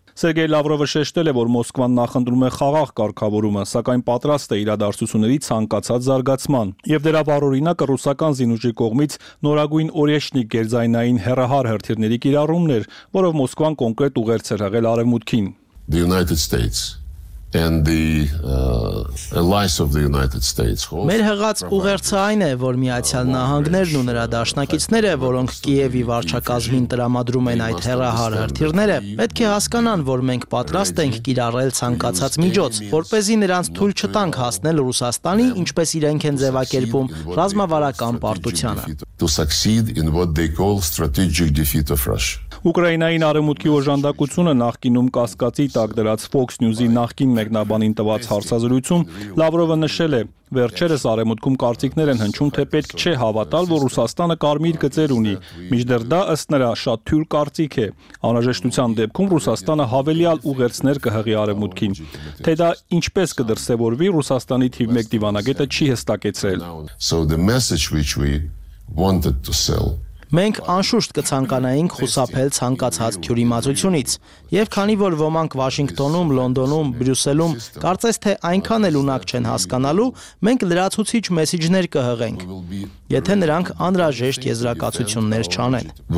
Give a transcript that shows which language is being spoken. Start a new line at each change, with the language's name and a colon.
Armenian: Սերգեյ Լավրովը շեշտել է, որ Մոսկվան նախընտրում է խաղաղ կարգավորումը, սակայն պատրաստ է իրադարձությունների ցանկացած զարգացման։ Եվ դրա առօրինակը ռուսական զինուժի կողմից նորագույն օրեշնիկ գերձայնային հեռահար հրթիռների կիրառումն էր, որով Մոսկվան կոնկրետ ուղերձ էր հղել արևմուտքին։
English: The United States And the allies of the United States.
Armenian: Մեր հղած ուղերձը այն է, որ Միացյալ Նահանգներն ու նրա դաշնակիցները, որոնք Կիևի վարչակազմին տրամադրում են այդ հեռահար հրթիռները, պետք է հասկանան, որ մենք պատրաստ ենք կիրառել ցանկացած միջոց, որպեսզի նրանց թույլ չտանք հասնել Ռուսաստանի, ինչպես իրենք են ձևակերպում, ռազմավարական պարտությանը.
English: To succeed in what they call strategic defeat of Russia.
Armenian: Ուկրաինային արևմուտքի օժանդակությունը նախկինում կասկածի տակ դրած Fox News-ի նախկին մեկնաբանին տված հարցազրույցում Լավրովը նշել է, վերջերս արևմուտքում կարծիքներ են հնչում, թե պետք չէ հավատալ, որ Ռուսաստանը կարմիր գծեր ունի, մինչդեռ դա ըստ նրա շատ թույլ կարծիք է։ Անհրաժեշտության դեպքում Ռուսաստանը հավելյալ ուղերձներ կհղի արևմուտքին, թե դա ինչպես կդրսևորվի, Ռուսաստանի թիվ 1 դիվանագետը չի հստակեցրել։
English: So the message which we wanted to sell.
Armenian: Մենք անշուշտ կցանկանայինք խուսափել ցանկացած քյուրիմացությունից, եւ քանի որ ոմանք Վաշինգտոնում, Լոնդոնում, Բրյուսելում կարծես թե այնքան էլ ունակ չեն հասկանալու, մենք լրացուցիչ մեսիջներ կհղենք, եթե նրանք անհրաժեշտ եզրակացություններ չանեն։